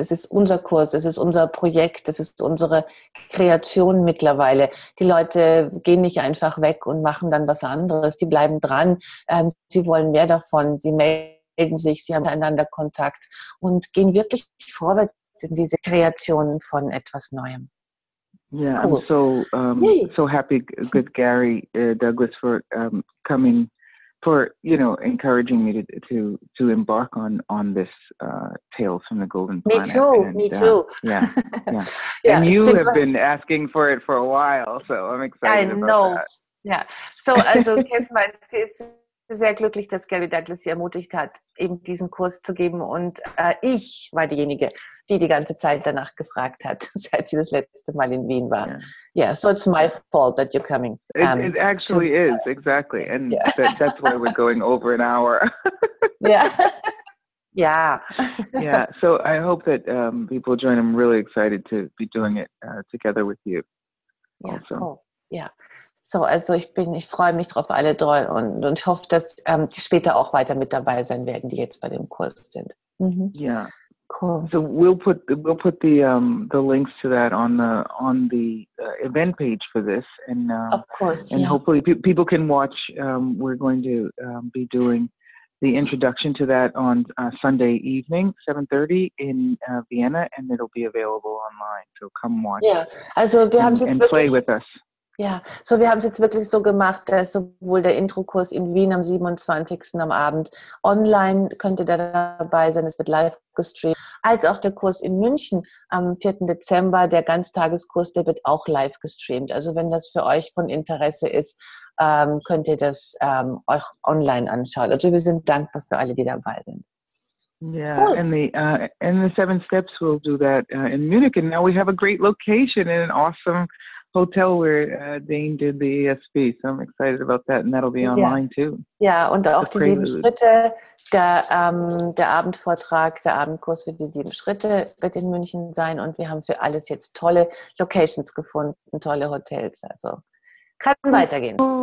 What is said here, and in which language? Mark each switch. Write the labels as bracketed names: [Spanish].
[German] Es ist unser Kurs, es ist unser Projekt, es ist unsere Kreation mittlerweile. Die Leute gehen nicht einfach weg und machen dann was anderes. Die bleiben dran. Sie wollen mehr davon. Sie melden sich, sie haben miteinander Kontakt und gehen wirklich vorwärts in diese Kreation von etwas Neuem. [English] Yeah, cool. I'm so happy with Gary Douglas for coming. For, you know, encouraging me to embark on this Tales from the Golden Planet. Me too. Yeah, yeah. Yeah, and you have been asking for it for a while, so I'm excited I about know. That. Yeah. [German] So, also, Kenz, sie ist sehr glücklich, dass Gary Douglas sie ermutigt hat, eben diesen Kurs zu geben. Und ich war diejenige, die ganze Zeit danach gefragt hat, seit sie das letzte Mal in Wien war. [English] Yeah, yeah, so it's my fault that you're coming. It actually is, exactly. And yeah. That's why we're going over an hour. Yeah. Yeah. Yeah, so I hope that people join. I'm really excited to be doing it together with you. Yeah, also. Cool. Yeah. [German] So, also ich freue mich drauf, alle drei und hoffe, dass die später auch weiter mit dabei sein werden, die jetzt bei dem Kurs sind. [English] Mhm. Yeah. Cool. So we'll put the links to that on the event page for this, and of course, and yeah. Hopefully people can watch. We're going to be doing the introduction to that on Sunday evening, 7:30 in Vienna, and it'll be available online. So come watch. [German] Yeah, also wir haben [English] and play with us. [German] Ja, so wir haben es jetzt wirklich so gemacht, dass sowohl der Introkurs in Wien am 27. am Abend online könnte da dabei sein, es wird live gestreamt, als auch der Kurs in München am 4. Dezember, der Ganztageskurs, der wird auch live gestreamt. Also wenn das für euch von Interesse ist, könnt ihr das euch online anschauen. Also wir sind dankbar für alle, die dabei sind. [English] Yeah, cool. and the Seven Steps will do that in Munich. And now we have a great location and an awesome Hotel where Dane did the ESP, so I'm excited about that, and that'll be online too. [German] Yeah, und auch die sieben Schritte, der Abendvortrag, der Abendkurs für die sieben Schritte wird in München sein, und wir haben für alles jetzt tolle Locations gefunden, tolle Hotels, also kann weitergehen.